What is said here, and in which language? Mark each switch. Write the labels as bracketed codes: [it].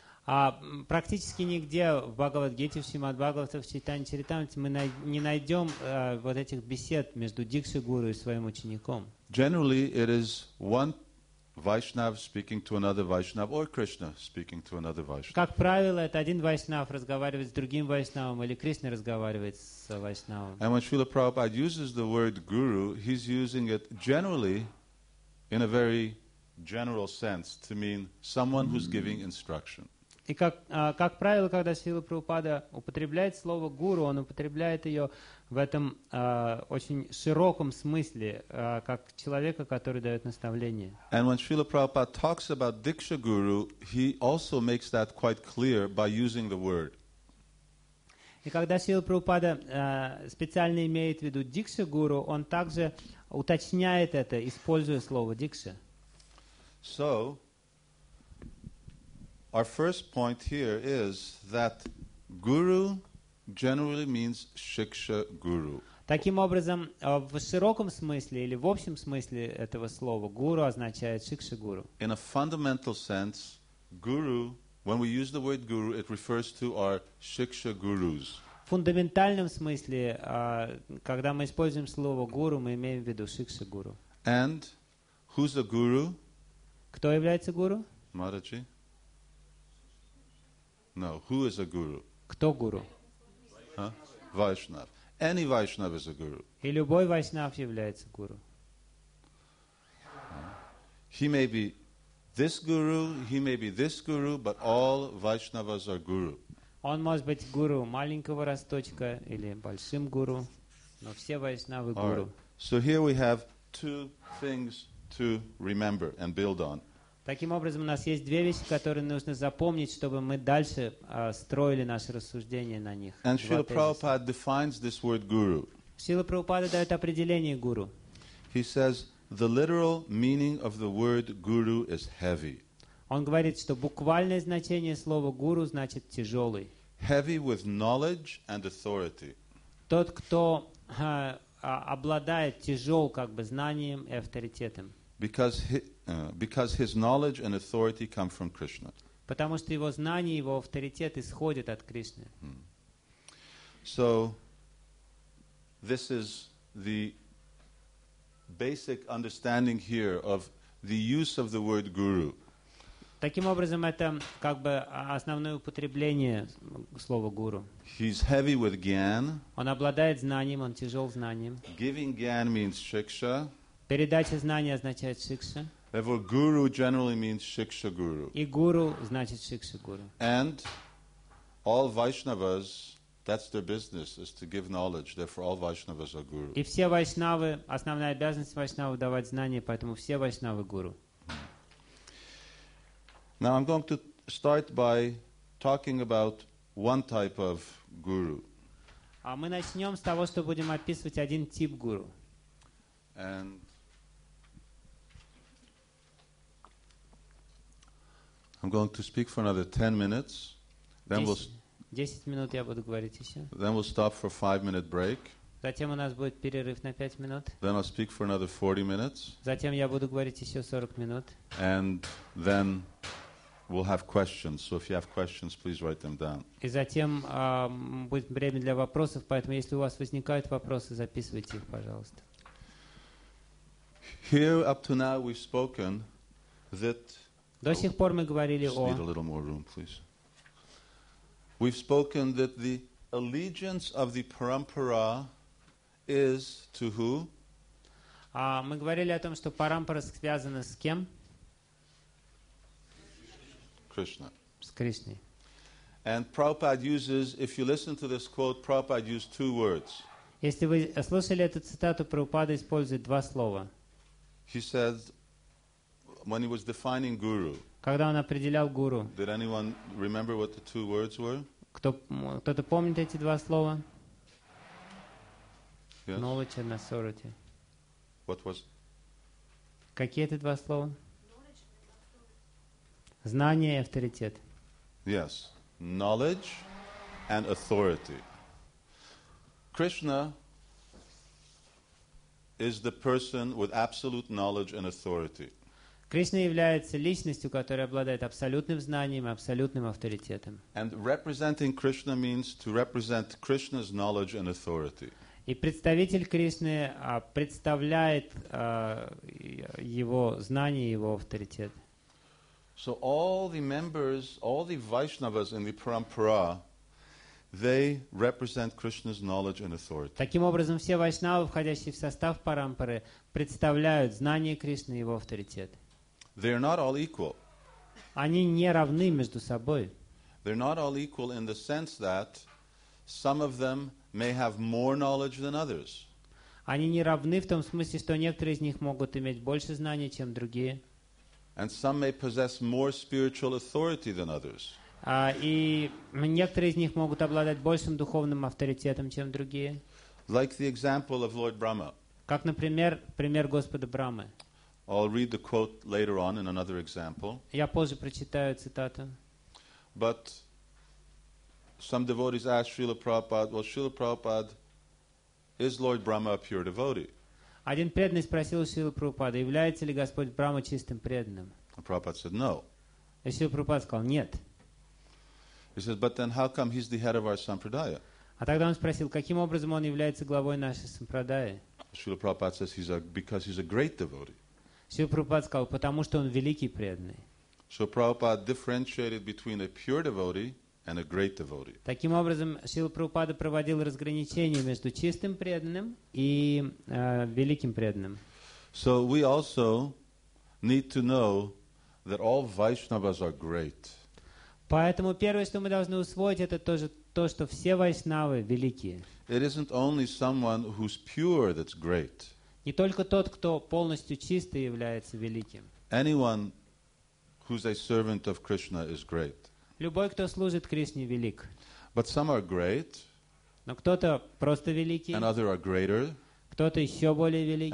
[ru] А практически нигде в Бхагавад-гите, в Шримад-Бхагаватам, в Чайтанья-чаритамрите мы не найдем вот этих бесед между Дикша-гуру и своим учеником. [en] Generally, it is one Vaishnav speaking to another Vaishnav, or Krishna speaking to another Vaishnav. [ru] Как правило, это один Вайшнав разговаривает с другим Вайшнавом, или Кришна разговаривает с Вайшнавом. [en] And when Srila Prabhupada uses the word guru, he's using it generally in a very general sense to mean someone who's giving instruction. [ru] И как правило, когда Шрила Прабхупада употребляет слово «гуру», он употребляет ее в этом очень широком смысле, как человека, который дает наставление. [en] And when Srila Prabhupada talks about Diksha Guru, he also makes that quite clear by using the word. [ru] И когда Шрила Прабхупада специально имеет в виду Дикша Гуру, он также уточняет это, используя слово «дикша». [en] So, our first point here is that guru generally means shiksha guru. [ru] Таким образом, в широком смысле или в общем смысле этого слова guru означает shiksha guru. [en] In a fundamental sense, guru, when we use the word guru, it refers to our shiksha gurus. [ru] В фундаментальном смысле, когда мы используем слово guru, мы имеем в виду shiksha guru. [en] And who's a guru? [ru] Кто является guru? [en] Maharaji. No, who is a guru? [ru] Кто гуру? [en] Vaishnav. Any Vaishnav is a guru. [ru] И любой Vaishnav является гуру. [en] He may be this guru, he may be this guru, but all Vaishnavas are guru. [ru] Он может быть гуру маленького росточка или большим гуру, но все Vaishnavы гуру. [en] So here we have two things to remember and build on. [ru] Таким образом, у нас есть две вещи, которые нужно запомнить, чтобы мы дальше строили наши рассуждения на них. [en] And Srila Prabhupada defines this word guru. [ru] Srila Prabhupada дает определение гуру. [en] He says the literal meaning of the word guru is heavy. [ru] Он говорит, что буквальное значение слова гуру значит тяжелый. [en] Heavy with knowledge and authority. [ru] Тот, кто обладает тяжел как бы знанием и авторитетом. [en] Because his knowledge and authority come from Krishna. [ru] Потому что его знание, его авторитет исходит от Кришны. [en] So this is the basic understanding here of the use of the word guru. [ru] Таким образом, это как бы основное употребление слова гуру. [en] He's heavy with gyan. [ru] Он обладает знанием, он тяжел знанием. [en] Giving gyan means shiksha. [ru] Передача знания означает шикша. [en] Therefore, guru generally means shiksha guru. [ru] И гуру значит шикша гуру. [en] And all Vaishnavas, that's their business, is to give knowledge. Therefore, all Vaishnavas are guru. [ru] И все Вайшнавы, основная обязанность Вайшнавы давать знания, поэтому все Вайшнавы гуру. [en] Now I'm going to start by talking about one type of guru. [ru] А мы начнем с того, что будем описывать один тип гуру. [en] And I'm going to speak for another 10 minutes. Then we'll [ru] 10 минут я буду говорить еще. [en] Then we'll stop for a 5-minute break. [ru] Затем у нас будет перерыв на 5 минут. [en] Then I'll speak for another 40 minutes. [ru] Затем я буду говорить еще 40 минут. [en] And then we'll have questions. So if you have questions, please write them down. [ru] И затем будет время для вопросов, поэтому если у вас возникают вопросы, записывайте их, пожалуйста. [en] Here up to now we've spoken that [ru] до сих пор мы говорили о... [en] Need a little more room, please. We've spoken that the allegiance of the parampara is to who? [ru] Мы говорили о том, что парампара связана с кем? [en] Krishna. [ru] С Кришной. [en] And Prabhupada uses, if you listen to this quote, Prabhupada used two words. [ru] Если вы слышали эту цитату, Прабхупада использует два слова. [en] He says, when he was defining guru. [ru] Когда он определял гуру. [en] Did anyone remember what the two words were? [ru] Кто-то помнит эти два слова? [en] Yes. Knowledge and authority. What was? [ru] Какие это два слова? Знание и авторитет. [en] Yes, knowledge and authority. Krishna is the person with absolute knowledge and authority. [ru] Кришна является личностью, которая обладает абсолютным знанием, абсолютным авторитетом. [en] And representing Krishna means to represent Krishna's knowledge and authority. [ru] И представитель Кришны представляет его знание, его авторитет. [en] So all the members, all the Vaishnavas in the Parampara, they represent Krishna's knowledge and authority. [ru] Таким образом, все вайшнавы, входящие в состав Парампары, представляют знание Кришны и его авторитет. [en] They are not all equal. [ru] Они не равны между собой. [en] They're not all equal in the sense that some of them may have more knowledge than others. [ru] Они не равны в том смысле, что некоторые из них могут иметь больше знания, чем другие. [en] And some may possess more spiritual authority than others. [ru] И некоторые из них могут обладать большим духовным авторитетом, чем другие. [en] Like the example of Lord Brahma. [ru] Как, например, пример Господа Брамы. [en] I'll read the quote later on in another example. [ru] Я позже прочитаю цитату. [en] But some devotees ask Srila Prabhupada, well, Srila Prabhupada, is Lord Brahma a pure devotee? [ru] Один преданный спросил у Шрилы Прабхупады, является ли Господь Брама чистым преданным? [en] And Prabhupada said, no. [ru] И Шрила Прабхупада сказал, нет. [en] He says, but then how come he's the head of our sampradaya? [ru] А тогда он спросил, каким образом он является главой нашей сампрадаи? [en] Шрила Прабхупада says, because he's a great devotee. [ru] Шрила Прабхупада сказал, потому что он великий преданный. [en] So Prabhupada differentiated between a pure devotee and a great devotee. [ru] Таким образом, Шрила Прабхупада проводил разграничение между чистым преданным и великим преданным. [en] So we also need to know that all Vaishnavas are great. [ru] Поэтому первое, что мы должны усвоить, это тоже то, что все вайшнавы великие. [en] It isn't only someone who's pure that's great. [ru] Не только тот, кто полностью чистый, является великим. [en] Anyone who's a servant of Krishna is great. [ru] Любой, кто служит Кришне, велик. [en] But some are great. [ru] Но кто-то просто великий. [en] And other are greater. [ru] Кто-то еще более великий.